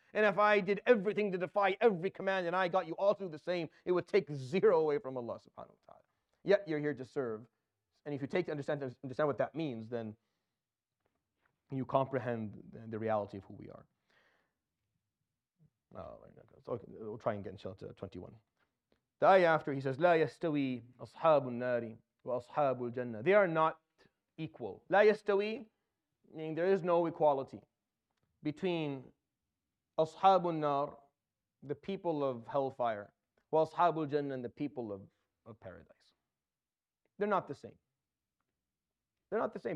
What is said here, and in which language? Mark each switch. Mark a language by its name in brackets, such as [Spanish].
[English] And if I did everything to defy every command and I got you all to do the same, it would take zero away from Allah subhanahu wa ta'ala. Yet you're here to serve. And if you take to understand what that means, then you comprehend the reality of who we are. We'll try and get inshallah to 21. The ayah after, he says, [Arabic] لا يستوي أصحاب النار وأصحاب الجنة. [English] They are not equal. La yastawi, meaning there is no equality between ashabun nar, the people of hellfire, wa ashabul jannah, and the people of paradise. They're not the same. They're not the same.